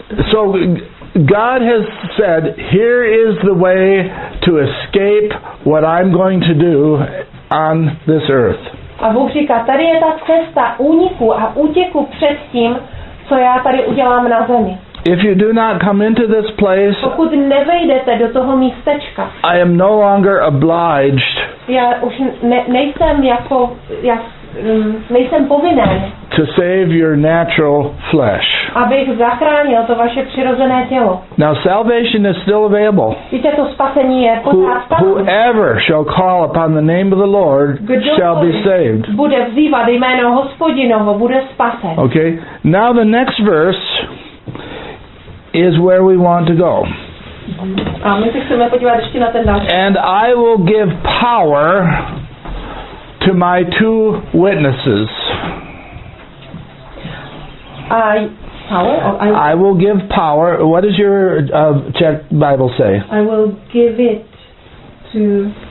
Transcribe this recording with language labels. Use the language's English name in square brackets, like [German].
[English] So God has said, here is the way to escape what I'm going to do on this earth. [Czech] A Bůh říká, tady je ta cesta úniku a útěku před tím, co já tady udělám na zemi. [English] If you do not come into this place, [Czech] pokud nevejdete do toho místečka, [English] I am no longer obliged. [Czech] Já už nejsem jako já nejsem povinen. [English] To save your natural flesh. [Czech] Abych zachránil to vaše přirozené tělo. [English] Now salvation is still available. [Czech] Víte, to spasení je pořád stále. [English] Whoever shall call upon the name of the Lord shall be saved. [Czech] Bude vzývat jméno Hospodinovo, bude spasen. [English] Okay. Now the next verse is where we want to go. [Czech] A my se chceme podívat ještě na ten další. [English] And I will give power to my two witnesses. I will give power. What does your Czech Bible say? I will give it to.